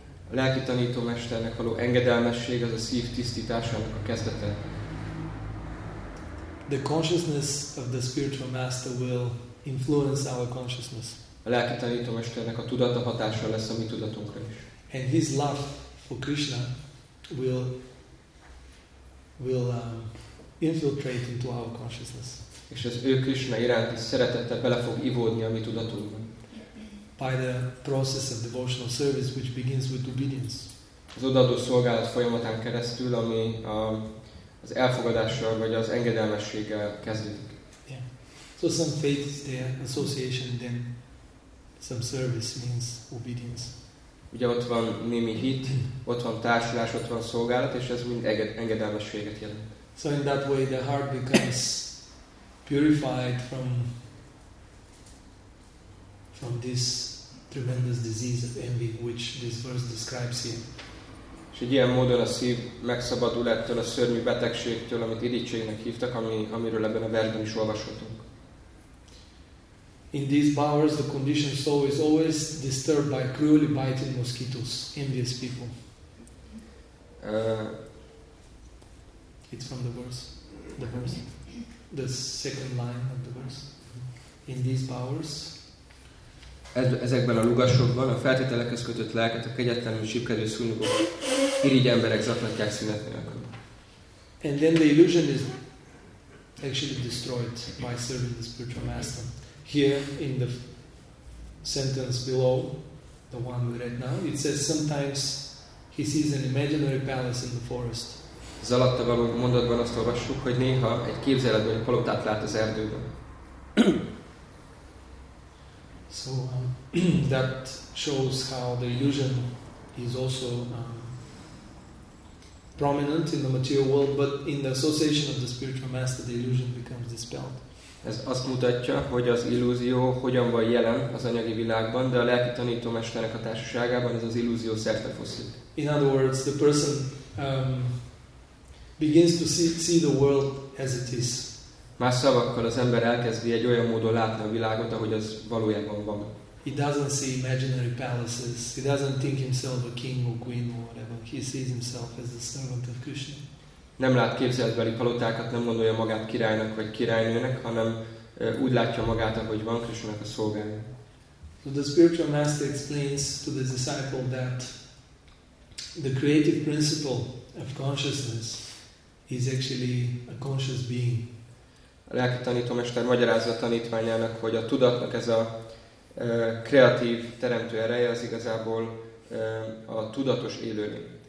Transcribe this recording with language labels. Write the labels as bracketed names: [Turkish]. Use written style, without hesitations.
[Hungarian] A lelki tanítómesternek való engedelmesség az a szív tisztításának a kezdete. [English] The consciousness of the spiritual master will influence our consciousness. [Hungarian] A lelki tanítómesternek a tudata hatása lesz a mi tudatunkra is. [English] And his love for Krishna will infiltrate into our consciousness. [Hungarian] És az ő Krishna iránti szeretete bele fog ivódni a mi tudatunkban. [English] By the process of devotional service, which begins with obedience. [Hungarian] Az odaadó szolgálat folyamatán keresztül, ami az elfogadással vagy az engedelmességgel kezdődik. [English] Yeah. So some faith is there, association, then some service means obedience. [Hungarian] Ugye ott van némi hit, ott van társulás, ott van szolgálat, és ez mind engedelmességet jelent. [English] So in that way the heart becomes purified from this tremendous disease of envy, which this verse describes here. [Hungarian] És egy ilyen módon a szív megszabadul ettől a szörnyű betegségtől, amit irigységnek hívtak, amiről ebben a versben is olvashatunk. [English] In these bowers the conditioned soul is always disturbed by cruelly biting mosquitoes, envious people. It's from the verse, the second line of the verse. In these powers. [Hungarian] Ezekben a lugasokban a feltételekhez kötött lelket a kegyetlenül sipkedő szúnyogok irigy emberek zaklatják szünet nélkül. [English] And then the illusion is actually destroyed by serving the spiritual master. Here in the sentence below, the one we read now, it says sometimes he sees an imaginary palace in the forest. [Hungarian] Az alatta való mondatban azt olvassuk, hogy néha egy képzeletben egy palotát lát az erdőben. [English] So that shows how the illusion is also prominent in the material world, but in the association of the spiritual master, the illusion becomes dispelled. [Hungarian] Ez azt mutatja, hogy az illúzió hogyan van jelen az anyagi világban, de a lelki tanítómesternek a társaságában ez az illúzió szerte foszlik. [English] In other words, the person begins to see the world as it is. [Hungarian] Más szavakkal az ember elkezdi egy olyan módon látni a világot, ahogy az valójában van. [English] He doesn't see imaginary palaces. He doesn't think himself a king or queen or whatever. He sees himself as a servant of Krishna. [Hungarian] nem lát képzeletbeli palotákat, nem gondolja magát királynak vagy királynőnek, hanem úgy látja magát, ahogy van, Krisnának a szolgálja. [English] So the spiritual master explains to the disciple that the creative principle of consciousness is actually a conscious being. [Hungarian] A lelki tanítómester magyarázza a tanítványának, hogy a tudatnak ez a kreatív teremtő ereje az igazából a tudatos élőlény.